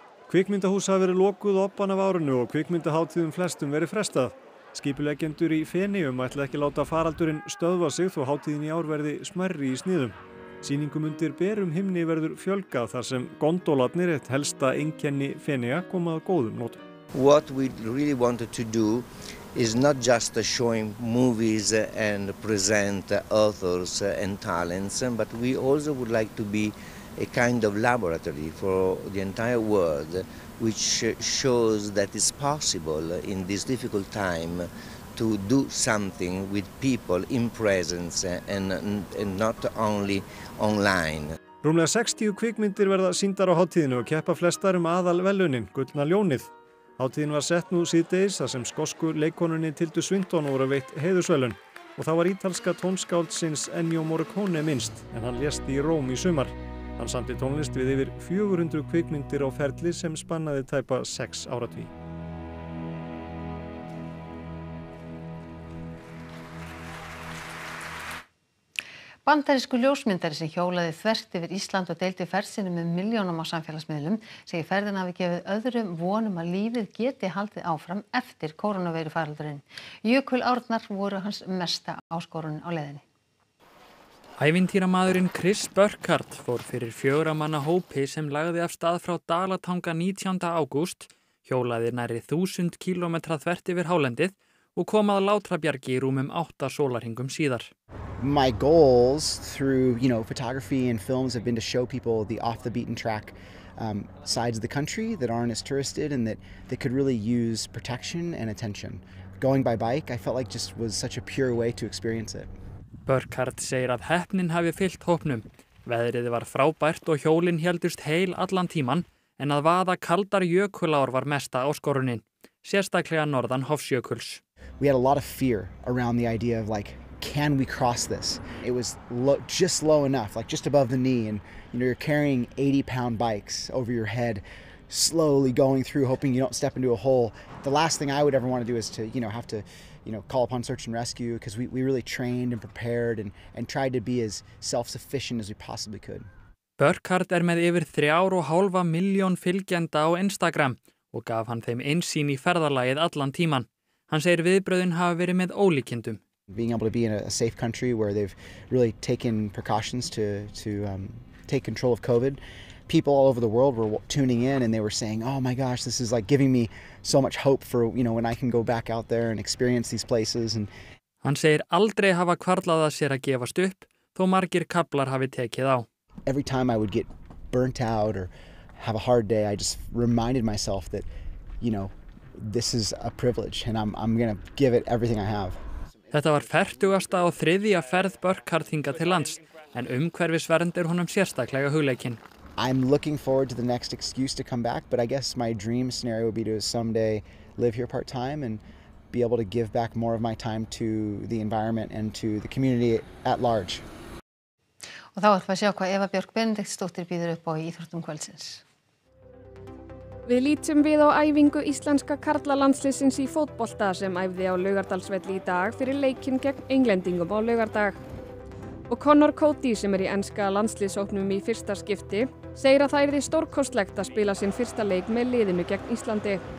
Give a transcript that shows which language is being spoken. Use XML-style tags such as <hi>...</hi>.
<is>Kvikmyndahús hafa verið lokuð opan af árinu og kvikmyndahátíðum flestum verið frestað. Skipuleggjendur í Feneyjum ætla ekki láta faraldurinn stöðva sig þó hátíðin í ár verði smærri í sniðum. Sýningum undir berum himni verður fjölgað þar sem gondólarnir eitt helsta einkenni Feneyja koma að góðum notum.</is> <en>What we really wanted to do is not just showing movies and present authors and talents, but we also would like to be a kind of laboratory for the entire world, which shows that it's possible in this difficult time to do something with people in presence and not only online.</en> <is>Rúmlega 60 kvikmyndir verða sýndar á hátíðinu og keppa flestar aðal velunin, Gullna ljónið. Hátíðin var sett nú síðdegis þar sem skosku leikkonunni Tildu Svinton voru veitt heiðursvelun og þá var ítalska tónskáldsins Ennio Morricone minnst en hann lést í Róm í sumar. Hann samti tónlist við yfir 400 kvikmyndir á ferli sem spannaði tæpa 6 áratví. Bandarísku ljósmyndari sem hjólaði þvert yfir Ísland og deildi ferð sinni með milljónum á samfélagsmiðlum segir ferðin hafi gefið öðrum vonum að lífið geti haldið áfram eftir koronaveirufaraldurinn. Jökul Árnar voru hans mesta áskorun á leiðinni. Ævintýramaðurinn Chris Burkhardt fór fyrir fjögurra manna hópi sem lagði af stað frá Dalatanga 19. ágúst, hjólaði nærri 1000 kílómetra þvert yfir hálendið og kom að Látrabjargi í rúmum 8 sólarhringum síðar.</is> <en>My goals through, you know, photography and films have been to show people the off the beaten track sides of the country that aren't as touristed and that they could really use protection and attention. Going by bike, I felt like just was such a pure way to experience it.</en> <is>Burkhardt segir að heppnin hafi fyllt hópnum. Veðrið var frábært og hjólin heldust heil allan tíman, en að vaða kaldar jökulár var mesta áskorunin, sérstaklega norðan Hofsjökuls.</is> <en>We had a lot of fear around the idea of like, can we cross this? It was just low enough, like just above the knee, and you know, you're carrying 80-pound bikes over your head, slowly going through, hoping you don't step into a hole. The last thing I would ever want to do is to, you know, have to, you know, call upon search and rescue, because we really trained and prepared and tried to be as self-sufficient as we possibly could.</en> <is>Burkhardt með yfir 3.5 milljón fylgjenda á Instagram og gaf hann þeim innsýn í ferðalagið allan tíman. Hann segir viðbrögðin hafa verið með ólíkindum.</is> <en>Being able to be in a safe country where they've really taken precautions to take control of COVID. People all over the world were tuning in and they were saying, oh my gosh, this is like giving me so much hope for, you know, when I can go back out there and experience these places. And</en> <is>hann segir aldrei hafa kvarlað að sér að gefast upp, þó margir kaflar hafi tekið á.</is> <en>Every time I would get burnt out or have a hard day, I just reminded myself that, you know, this is a privilege and I'm going to give it everything I have.</en> <is>Þetta var fertugasta og þriðja ferð Burkhardt hinga til lands, en umhverfisvernd er honum sérstaklega hugleikinn.</is> <en>I'm looking forward to the next excuse to come back, but I guess my dream scenario would be to someday live here part-time and be able to give back more of my time to the environment and to the community at large.</en> <is>Og þá erum við að sjá hvað Eva Björk Benediktsdóttir býður upp á í Íþróttum kvöldsins. Við lítum við á æfingu íslenska karlalandsliðsins í fótbolta sem æfði á Laugardalsvelli í dag fyrir leikinn gegn Englendingum á laugardag. Og Connor Cody sem í enska landsliðshópnum í fyrsta skipti segir að það yrði stórkostlegt að spila sinn fyrsta leik með liðinu gegn Íslandi.</is>